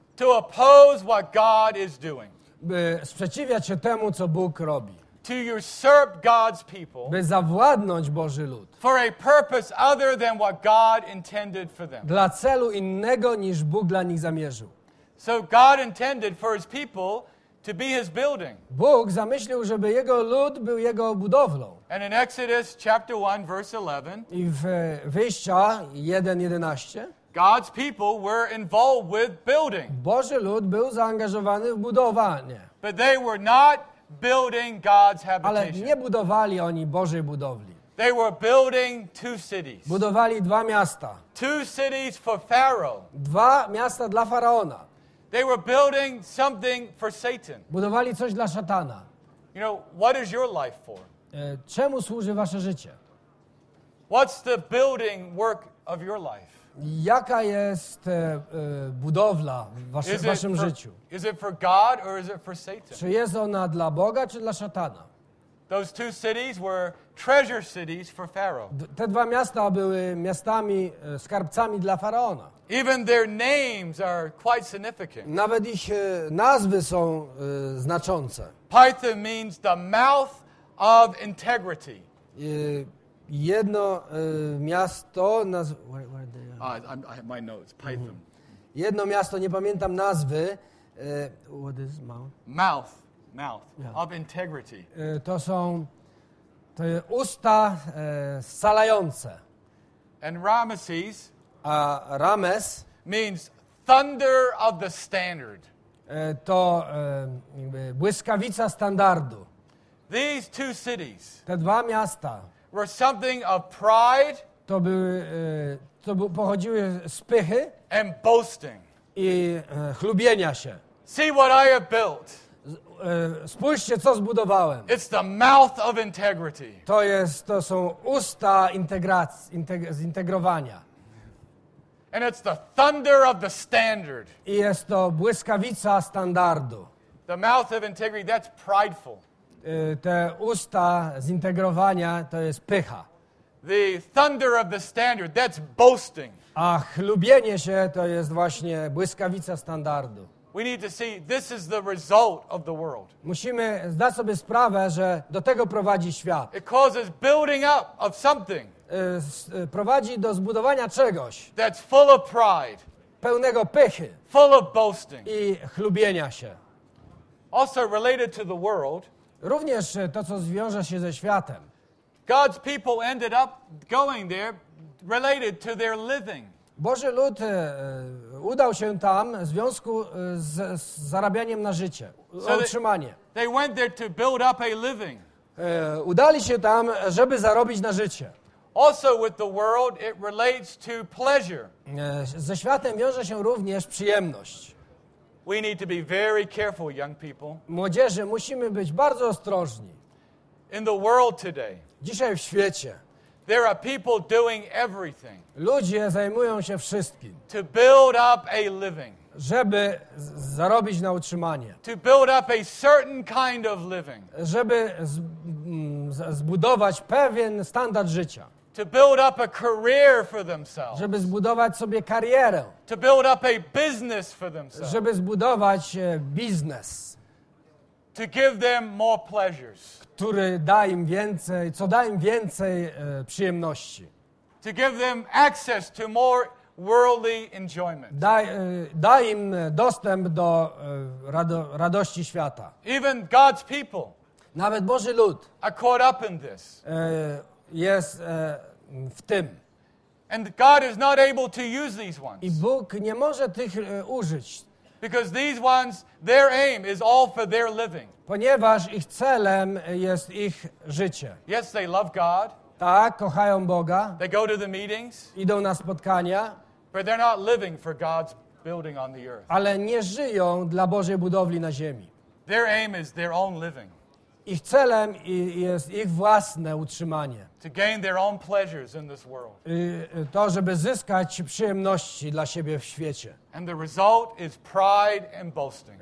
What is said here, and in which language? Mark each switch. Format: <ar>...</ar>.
<en>To oppose what God is doing.</en> <pl>By sprzeciwiać się temu, co Bóg robi.</pl> <en>To usurp God's people.</en> <pl>By zawładnąć Boży lud.</pl> <en>For a purpose other than what God intended for them.</en> <pl>Dla celu innego niż Bóg dla nich zamierzył.</pl> <en>So God intended for his people to be his building.</en> <pl>Bóg zamyślił, żeby jego lud był jego budowlą.</pl> <en>And in Exodus chapter 1 verse 11.</en> <pl>I w Wyjściach 1:11.</pl> <en>God's people were involved with building.</en> <pl>Boży lud był zaangażowany w budowanie.</pl> <en>But they were not building God's habitation.</en> <pl>Ale nie budowali oni Bożej budowli.</pl> <en>They were building two cities.</en> <pl>Budowali dwa miasta.</pl> <en>Two cities for Pharaoh.</en> <pl>Dwa miasta dla faraona.</pl> <en>They were building something for Satan.</en> <pl>Budowali coś dla szatana.</pl> <en>You know, what is your life for?</en> <pl>Czemu służy wasze życie?</pl> <en>What's the building work of your life?</en> <pl>Jaka jest budowla w waszym życiu?</pl> <en>Is it for God or is it for Satan?</en> <pl>Czy jest ona dla Boga czy dla szatana?</pl> <en>Those two cities were treasure cities for Pharaoh.</en> <pl>Te dwa miasta były miastami skarbcami dla faraona.</pl> <en>Even their names are quite significant.</en> <pl>Nawet ich nazwy są znaczące.</pl> <en>Python means the mouth of integrity.</en> <pl>Jedno miasto</pl> <en>I have my notes. Python.</en> <pl>Jedno miasto, nie pamiętam nazwy,</pl> <en>What is mouth? Mouth yeah. Of integrity.</en> <pl>To są te usta scalające.</pl> <en>And Ramesses. Rames means thunder of the standard.</en> <pl>To błyskawica standardu.</pl> <en>These two cities.</en> <pl>Te dwa miasta.</pl> <en>Were something of pride.</en> <pl>To były pochodziły z pychy.</pl> <en>And boasting.</en> <pl>I chlubienia się.</pl> <en>See what I have built.</en> <pl>Spójrzcie, co zbudowałem.</pl> <en>It's the mouth of integrity.</en> <pl>To są usta zintegrowania.</pl> <en>And it's the thunder of the standard.</en> <pl>I jest to błyskawica standardu.</pl> <en>The mouth of integrity, that's prideful.</en> <pl>Te usta zintegrowania to jest pycha.</pl> <en>The thunder of the standard, that's boasting.</en> <pl>A chlubienie się to jest właśnie błyskawica standardu.</pl> <en>We need to see this is the result of the world.</en> <pl>Musimy zdać sobie sprawę, że do tego prowadzi świat.</pl> <en>It causes building up of something.</en> <pl>Prowadzi do zbudowania czegoś.</pl> <en>That's full of pride.</en> <pl>Pełnego pychy.</pl> <en>Full of boasting.</en> <pl>I chlubienia się.</pl> <en>Also related to the world.</en> <pl>Również to, co zwiąże się ze światem.</pl> <en>God's people ended up going there related to their living.</en> <pl>Boży lud udał się tam w związku z zarabianiem na życie, so utrzymanie.</pl> <en>They went there to build up a living.</en> <pl>Udali się tam, żeby zarobić na życie.</pl> <en>Also with the world, it relates to pleasure.</en> <pl>Ze światem wiąże się również przyjemność.</pl> <en>We need to be very careful, young people.</en> <pl>Młodzieży, musimy być bardzo ostrożni.</pl> <en>In the world today.</en> <pl>Dzisiaj w świecie.</pl> <en>There are people doing everything.</en> <pl>Ludzie zajmują się wszystkim.</pl> <en>To build up a living.</en> <pl>Żeby zarobić na utrzymanie.</pl> <en>To build up a certain kind of living.</en> <pl>Żeby zbudować pewien standard życia.</pl> <en>To build up a career for themselves.</en> <pl>Żeby zbudować sobie karierę.</pl> <en>To build up a business for themselves.</en> <pl>Żeby zbudować biznes.</pl> <en>To give them more pleasures.</en> <pl>Który da im więcej, co da im więcej przyjemności.</pl> <en>To give them access to more worldly enjoyment.</en> <pl>Da im dostęp do radości świata.</pl> <en>Even God's people.</en> <pl>Nawet Boży lud.</pl> <en>Are caught up in this.</en> <pl>Jest w tym.</pl> <en>And God is not able to use these ones.</en> <pl>I Bóg nie może tych użyć.</pl> <en>Because these ones, their aim is all for their living.</en> <pl>Ponieważ ich celem jest ich życie.</pl> <en>Yes, they love God.</en> <pl>Tak, kochają Boga.</pl> <en>They go to the meetings.</en> <pl>Idą na spotkania.</pl> <en>But they're not living for God's building on the earth.</en> <pl>Ale nie żyją dla Bożej budowli na ziemi.</pl> <en>Their aim is their own living.</en> <pl>Ich celem jest ich własne utrzymanie.</pl> <en>To gain their own pleasures in this world.</en> <pl>To, żeby zyskać przyjemności dla siebie w świecie.</pl> <en>And the result is pride and boasting.</en>